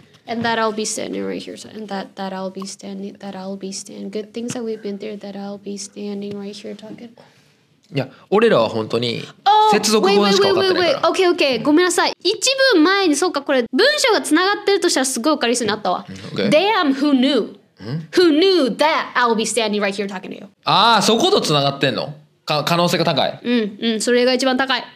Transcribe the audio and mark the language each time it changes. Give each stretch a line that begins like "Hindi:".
English: And that I'll be standing right here. And that I'll be standing. That I'll be standing. Good things that we've been through. That I'll be standing right here talking. Yeah,
Japanese: 俺らは本当に接続語しか分かってないから。
English: Okay, okay.
Japanese: ごめんなさい。一文前にそうかこれ文章がつながってるとしたらすごい分かりやすいなったわ。
English: Okay. Damn, who knew? Who knew that I'll be standing right here talking to you?
Japanese: ああ、そことつながってんの？可能性が高い。うんうん、それが一番高い。